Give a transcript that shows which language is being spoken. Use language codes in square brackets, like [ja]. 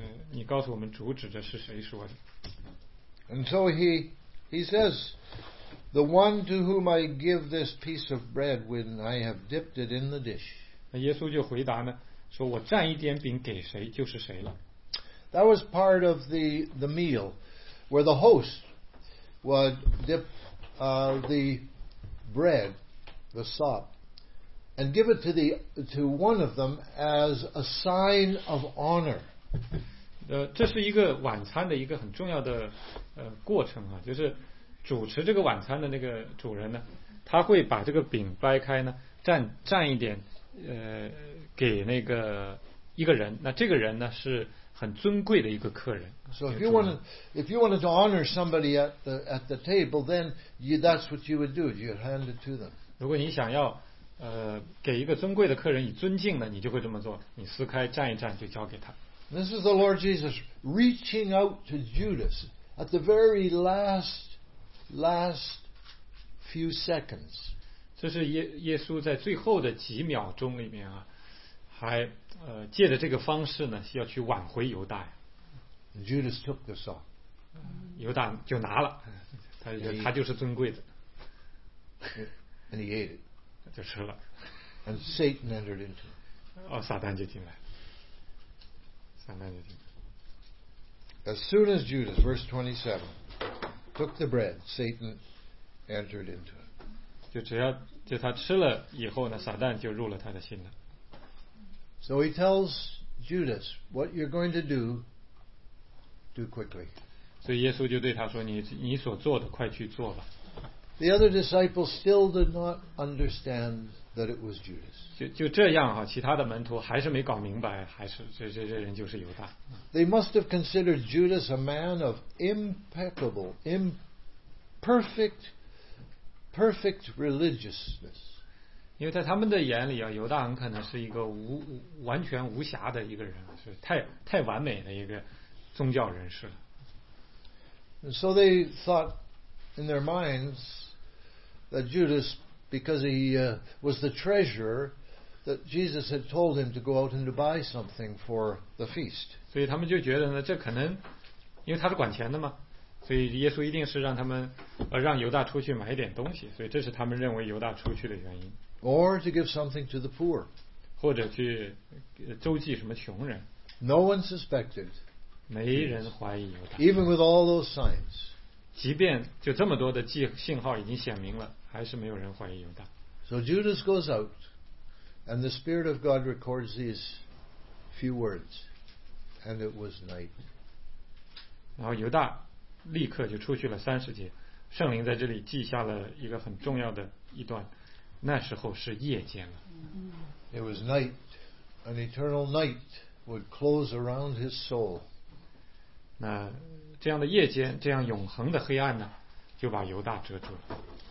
[zh] 你告诉我们主旨的是谁说的。 [en] And so he says, the one to whom I give this piece of bread when I have dipped it in the dish. [zh] 那耶稣就回答呢，说我蘸一点饼给谁就是谁了。 [en] That was part of the meal where the host would dip the bread, the sop,and give it to one of them as a sign of honor. [zh] 这是一个晚餐的一个很重要的过程啊，就是主持这个晚餐的那个主人呢，他会把这个饼掰开呢，蘸一点给那个一个人，那这个人呢是很尊贵的一个客人。 [en] So if you wanted to honor somebody at the table, then that's what you would do. You'd hand it to them. [zh] 如果你想要给一个尊贵的客人以尊敬呢，你就会这么做，你撕开蘸一蘸就交给他。 [en] This is the Lord Jesus reaching out to Judas at the very last few seconds. [zh] 这是耶稣在最后的几秒钟里面啊，还借着这个方式呢要去挽回犹大。 [en] Judas took the sop. [zh] 犹大就拿了，他就是尊贵的。 [en] And he ate it. [zh] 就吃了。 [en] And Satan entered into it. [zh] 撒旦就进来。 [en] As soon as Judas, verse 27, took the bread, Satan entered into it. [zh] 就他吃了以后呢，撒旦就入了他的心了。 [en] So he tells Judas, what you're going to do, do quickly. [zh] 所以耶稣就对他说，你所做的快去做吧。 [en] The other disciples still did not understand that it was Judas. [zh] 就这样啊，其他的门徒还是没搞明白，还是这人就是犹大。 [en] They must have considered Judas a man of impeccable, perfect religiousness. [zh] 因为在他们的眼里啊，犹大很可能是一个完全无瑕的一个人，是太完美的一个宗教人士 [en] 了。So they thought. In their minds, that Judas, because he was the treasurer, that Jesus had told him to go out and to buy something for the feast. [zh] 所以他们就觉得呢，这可能，因为他是管钱的嘛，所以耶稣一定是让他们让犹大出去买一点东西，所以这是他们认为犹大出去的原因。 [en] Or to give something to the poor. [zh] 或者去周济什么穷人。 [en] No one suspected. [zh] 没人怀疑犹大。 [en] Even with all those signs. [zh] 即便就这么多的信号已经显明了，还是没有人怀疑犹大。 [en] So Judas goes out, and the Spirit of God records these few words, and it was night. [zh] 然后犹大立刻就出去了三十节，圣灵在这里记下了一个很重要的一段，那时候是夜间了。 [en] It was night, an eternal night would close around his soul. [zh] 那这样的夜间，这样永恒的黑暗呢，就把犹大遮住了。